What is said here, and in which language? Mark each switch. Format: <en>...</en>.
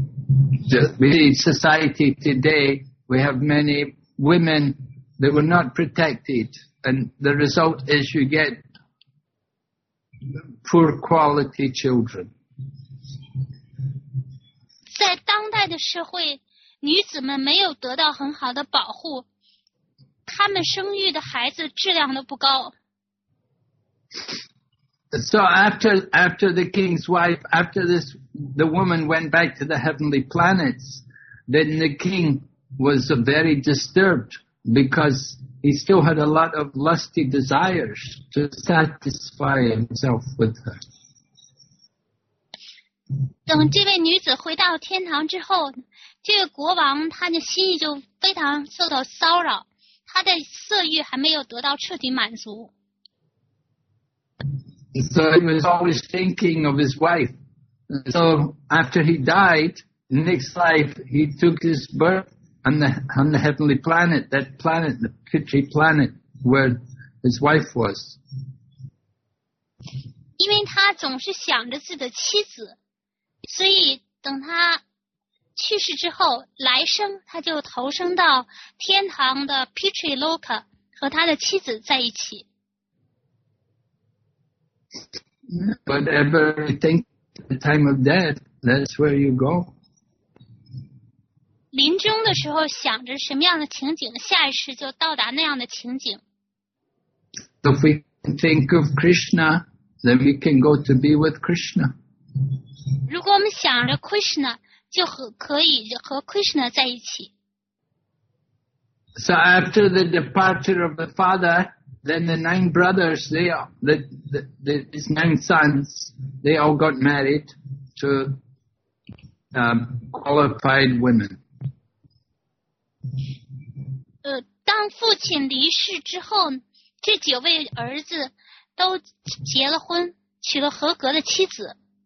<en>In society today, we have many women that were not protected, and the result is you get poor quality children.</en> <zh>在当代的社会，女子们没有得到很好的保护，她们生育的孩子质量都不高。</zh> <en>So after the king's wife, after this, the woman went back to the heavenly planets, then the king was very disturbed because he still had a lot of lusty desires to satisfy himself with her.</en> <zh>等这位女子回到天堂之后，这位国王他的心意就非常受到骚扰，他的色欲还没有得到彻底满足。</zh> <en>So he was always thinking of his wife. So after he died, next life he took his birth on the heavenly planet, that planet, the pitchy planet where his wife was.</en> <zh>因为他总是想着自己的妻子。所以等他去世之后，来生他就投生到天堂的 Pitri Loka 和他的妻子在一起。</zh> <en>Whatever you think the time of death, that's where you go.</en> <zh>临终的时候想着什么样的情景，下一世就到达那样的情景。</zh> <en>So if we think of Krishna, then we can go to be with Krishna.</en> <zh>如果我们想着 Krishna, 就可以和 Krishna 在一起。</zh> <en>So after the departure of the father, then the nine brothers, his nine sons, they all got married to qualified women.</en> <zh>当父亲离世之后，这九位儿子都结了婚，娶了合格的妻子。</zh>